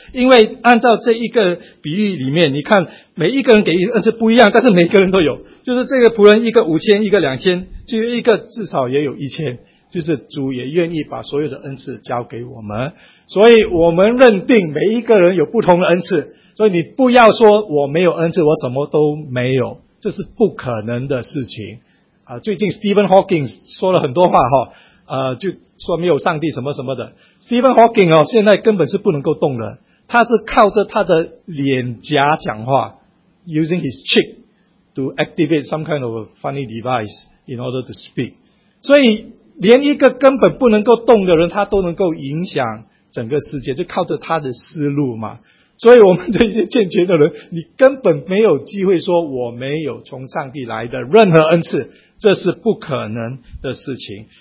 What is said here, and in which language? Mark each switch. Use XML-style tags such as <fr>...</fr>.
<zh>因为按照这一个比喻里面，你看每一个人给恩赐不一样，但是每一个人都有，就是这个仆人一个五千，一个两千，就一个至少也有一千，就是主也愿意把所有的恩赐交给我们。所以我们认定每一个人有不同的恩赐，所以你不要说我没有恩赐，我什么都没有，这是不可能的事情啊。最近 Stephen Hawking 说了很多话齁，就说没有上帝什么什么的。</zh> <en>Stephen Hawking</en> <zh>哦，现在根本是不能够动的，他是靠着他的脸颊讲话</zh> <en>，using his cheek to activate some kind of a funny device in order to speak。</en> <zh>所以连一个根本不能够动的人，他都能够影响整个世界，就靠着他的思路嘛。所以我们这些健全的人，你根本没有机会说我没有从上帝来的任何恩赐，这是不可能的事情。</zh>